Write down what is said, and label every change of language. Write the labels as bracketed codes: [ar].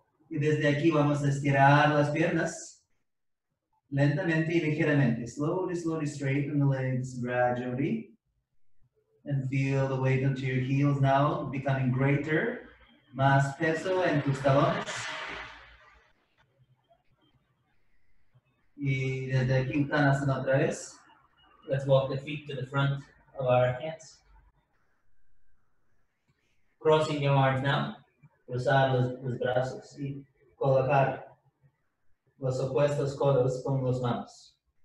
[es] Y desde aquí vamos a estirar las piernas lentamente y ligeramente. [en] Slowly, slowly straighten the legs gradually. And feel the weight onto your heels now becoming greater. [es] Más peso en tus talones. Y desde aquí, Uttanasana otra vez. [en] Let's walk the feet to the front of our hands. Crossing your arms now. [es] Cruzar los brazos y colocar los opuestos codos con las manos.